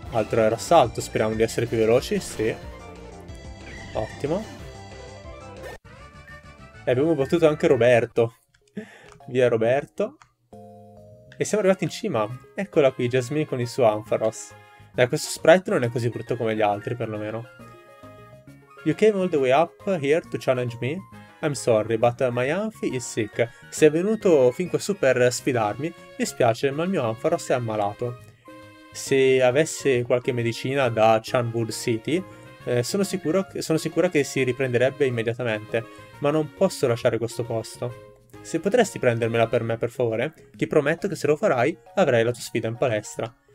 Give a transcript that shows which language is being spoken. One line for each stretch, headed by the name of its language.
Italian: Altro aerosalto, speriamo di essere più veloci. Sì. Ottimo. E abbiamo battuto anche Roberto. Via Roberto. E siamo arrivati in cima. Eccola qui, Jasmine con il suo Ampharos. Dai, questo sprite non è così brutto come gli altri, perlomeno.
English: You came all the way up here to challenge me? I'm sorry, but my Amphi is sick.
Italian: Sei venuto fin qua su per sfidarmi. Mi spiace, ma il mio Ampharos è ammalato. Se avesse qualche medicina da Chunwood City, sono sicura che si riprenderebbe immediatamente. Ma non posso lasciare questo posto. Se potresti prendermela per me, per favore, ti prometto che se lo farai, avrai la tua sfida in palestra.